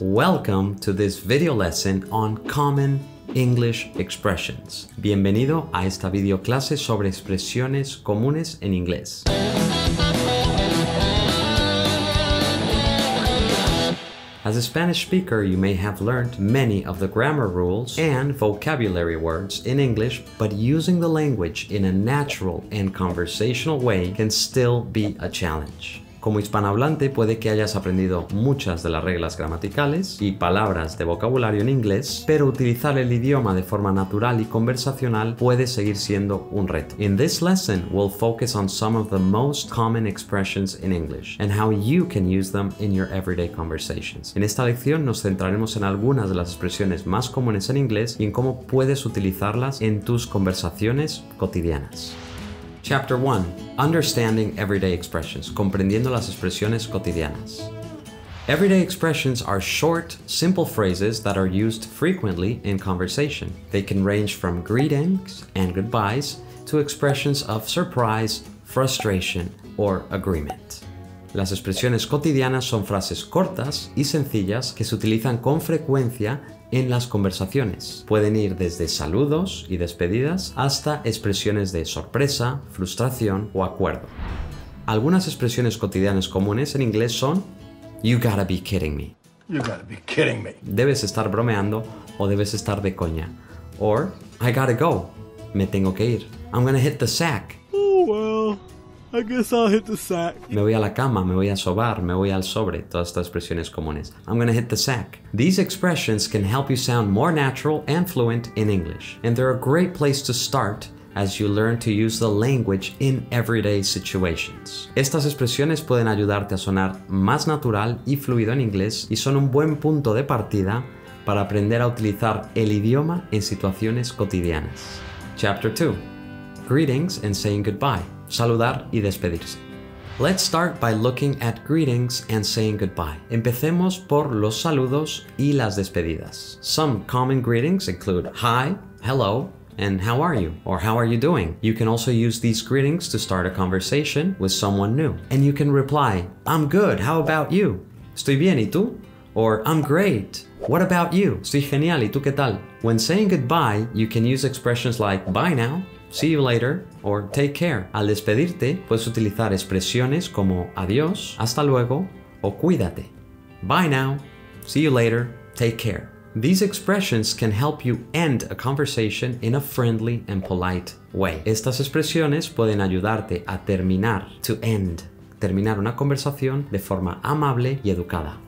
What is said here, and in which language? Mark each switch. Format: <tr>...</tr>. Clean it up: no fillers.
<en>Welcome to this video lesson on common English expressions.</en> <es>Bienvenido a esta video clase sobre expresiones comunes en inglés.</es> <en>As a Spanish speaker, you may have learned many of the grammar rules and vocabulary words in English, but using the language in a natural and conversational way can still be a challenge.</en> <es>Como hispanohablante, puede que hayas aprendido muchas de las reglas gramaticales y palabras de vocabulario en inglés, pero utilizar el idioma de forma natural y conversacional puede seguir siendo un reto.</es> <en>In this lesson, we'll focus on some of the most common expressions in English and how you can use them in your everyday conversations.</en> <es>En esta lección nos centraremos en algunas de las expresiones más comunes en inglés y en cómo puedes utilizarlas en tus conversaciones cotidianas.</es> <en>Chapter 1. Understanding Everyday Expressions.</en> <es>Comprendiendo las expresiones cotidianas.</es> <en>Everyday expressions are short, simple phrases that are used frequently in conversation. They can range from greetings and goodbyes to expressions of surprise, frustration, or agreement.</en> <es>Las expresiones cotidianas son frases cortas y sencillas que se utilizan con frecuencia en las conversaciones. Pueden ir desde saludos y despedidas hasta expresiones de sorpresa, frustración o acuerdo. Algunas expresiones cotidianas comunes en inglés son</es> <en>You gotta be kidding me. You gotta be kidding me.</en> <es>Debes estar bromeando o debes estar de coña.</es> <en>Or I gotta go.</en> <es>Me tengo que ir.</es> <en>I'm gonna hit the sack. Oh, well. I guess I'll hit the sack.</en> <es>Me voy a la cama, me voy a sobar, me voy al sobre. Todas estas expresiones comunes.</es> <en>I'm gonna hit the sack. These expressions can help you sound more natural and fluent in English. And they're a great place to start as you learn to use the language in everyday situations.</en> <es>Estas expresiones pueden ayudarte a sonar más natural y fluido en inglés y son un buen punto de partida para aprender a utilizar el idioma en situaciones cotidianas.</es> <en>Chapter 2. Greetings and saying goodbye.</en> <es>Saludar y despedirse.</es> <en>Let's start by looking at greetings and saying goodbye.</en> <es>Empecemos por los saludos y las despedidas.</es> <en>Some common greetings include hi, hello, and how are you? Or how are you doing? You can also use these greetings to start a conversation with someone new. And you can reply, I'm good, how about you?</en> <es>Estoy bien, ¿y tú?</es> <en>Or I'm great, what about you?</en> <es>Estoy genial, ¿y tú qué tal?</es> <en>When saying goodbye, you can use expressions like bye now, see you later, or take care.</en> <es>Al despedirte, puedes utilizar expresiones como adiós, hasta luego, o cuídate.</es> <en>Bye now, see you later, take care. These expressions can help you end a conversation in a friendly and polite way.</en> <es>Estas expresiones pueden ayudarte a terminar,</es> <en>to end,</en> <es>terminar una conversación de forma amable y educada.</es>